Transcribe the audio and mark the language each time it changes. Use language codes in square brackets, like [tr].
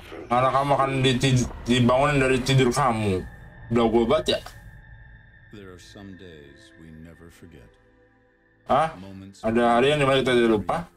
[id] Karena kamu akan dibangun dari tidur kamu. Udah gue banget ya. [en] There are some days we never forget. [id] Ah, ada hari yang dimana kita tidak lupa.